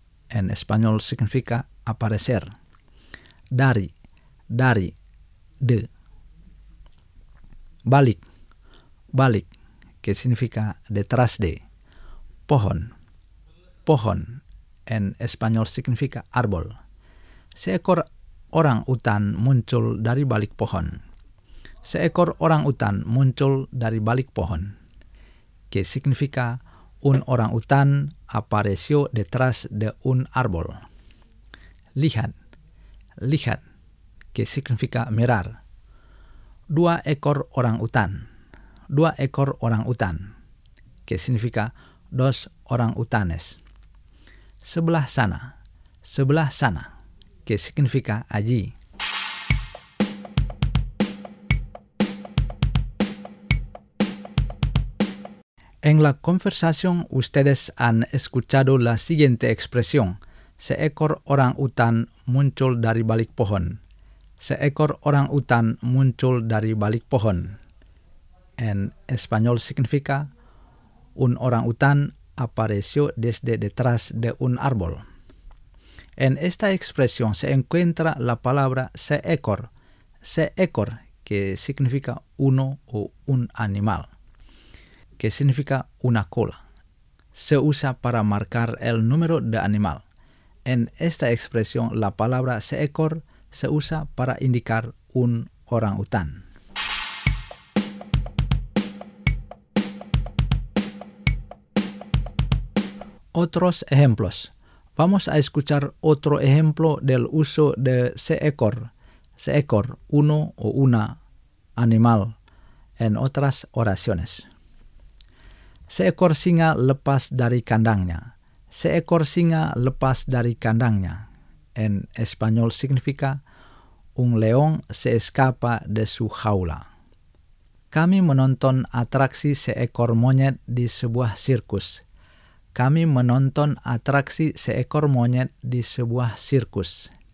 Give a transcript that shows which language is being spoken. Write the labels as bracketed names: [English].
[Spanish] En español significa aparecer. [Indonesian] Dari, dari, [Spanish] de. [Indonesian] Balik, balik, [Spanish] que significa detrás de. [Indonesian] Pohon, pohon, [Spanish] en español significa árbol. [Indonesian] Seekor orang utan muncul dari balik pohon. Seekor orang utan muncul dari balik pohon, [Spanish] que significa un orang utan apareció detrás de un árbol. [Indonesian] Lihat, lihat, [Spanish] que significa mirar. [Indonesian] Dua ekor orang utan. Dua ekor orang utan, [Spanish] que significa dos orang utanes. [Indonesian] Sebelah sana. Sebelah sana, [Spanish] que significa allí. En la conversación, ustedes han escuchado la siguiente expresión. [Indonesian] Seekor orang utan muncul dari balik pohon. Seekor orang utan muncul dari balik pohon. [Spanish] En español significa un orang utan apareció desde detrás de un árbol. En esta expresión se encuentra la palabra seekor. Seekor, que significa uno o un animal, que significa una cola. Se usa para marcar el número de animal. En esta expresión, la palabra seekor se usa para indicar un orangutan. Otros ejemplos. Vamos a escuchar otro ejemplo del uso de seekor. Seekor, uno o una animal, en otras oraciones. [Indonesian] Seekor singa lepas dari kandangnya. Seekor singa lepas dari kandangnya. [Spanish] En español significa un león se escapa de su jaula. [Indonesian] Kami menonton atraksi seekor monyet di sebuah sirkus. Kami menonton atraksi seekor monyet di sebuah sirkus.